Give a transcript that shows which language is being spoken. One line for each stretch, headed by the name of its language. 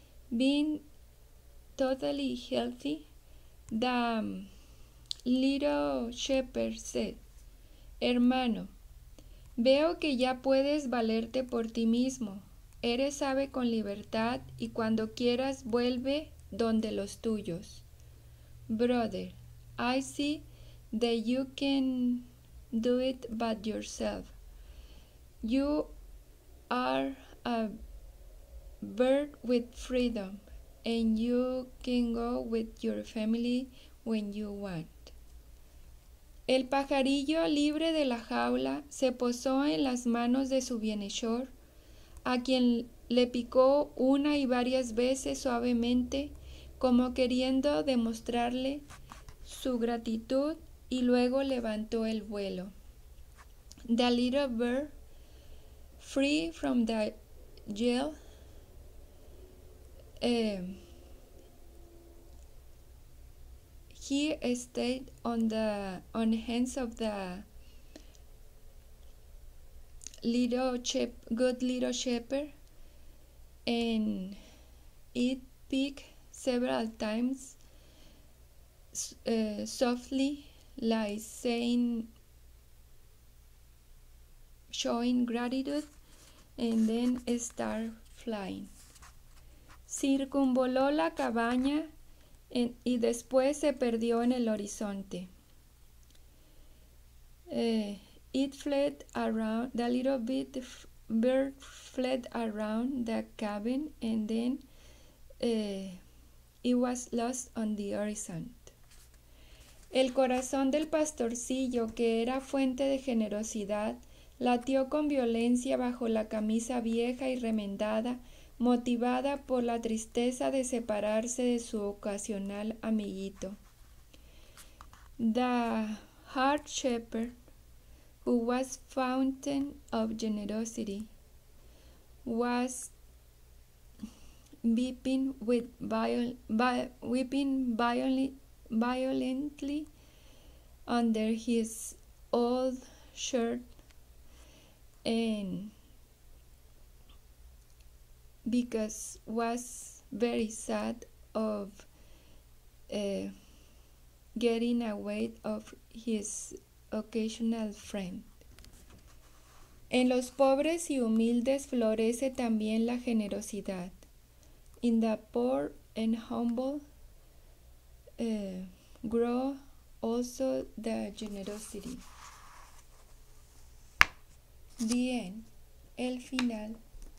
English: Being totally healthy, the little shepherd said,
Spanish: Hermano, veo que ya puedes valerte por ti mismo. Eres ave con libertad y cuando quieras vuelve donde los tuyos.
English: Brother, I see that you can do it by yourself. You are a bird with freedom and you can go with your family when you want.
Spanish: El pajarillo, libre de la jaula, se posó en las manos de su bienhechor, a quien le picó una y varias veces suavemente, como queriendo demostrarle su gratitud, y luego levantó el vuelo.
English: The little bird, free from the jail, he stayed on hands of the good little shepherd, and it peeked several times softly, like saying, showing gratitude, and then start flying.
Spanish: Circunvoló la cabaña y después se perdió en el horizonte.
English: It fled around, the little bit bird fled around the cabin and then it was lost on the horizon.
Spanish: El corazón del pastorcillo, que era fuente de generosidad, latió con violencia bajo la camisa vieja y remendada, motivada por la tristeza de separarse de su ocasional amiguito.
English: The hard shepherd, who was fountain of generosity, was weeping with weeping violently under his old shirt, and because was very sad of getting away of his occasional friend.
Spanish: En los pobres y humildes florece también la generosidad.
English: In the poor and humble grow also the generosity.
Spanish: Bien, el final.